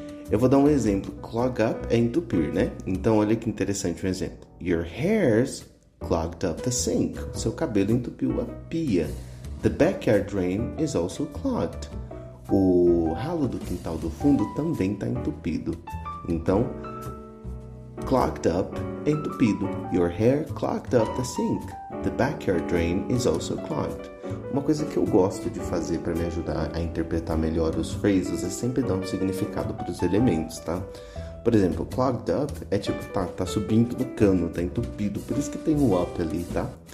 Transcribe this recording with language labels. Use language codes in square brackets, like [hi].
[pt] Eu vou dar um exemplo, clog up é entupir, né? Então, olha que interessante um exemplo, [en] your hair's clogged up the sink, [pt] seu cabelo entupiu a pia, [en] the backyard drain is also clogged, [pt] o ralo do quintal do fundo também está entupido, então, clogged up, entupido. [en] Your hair clogged up the sink. The backyard drain is also clogged. [pt] Uma coisa que eu gosto de fazer para me ajudar a interpretar melhor os phrases é sempre dar um significado para os elementos, tá? Por exemplo, clogged up é tipo, tá subindo no cano, tá entupido. Por isso que tem o up ali, tá?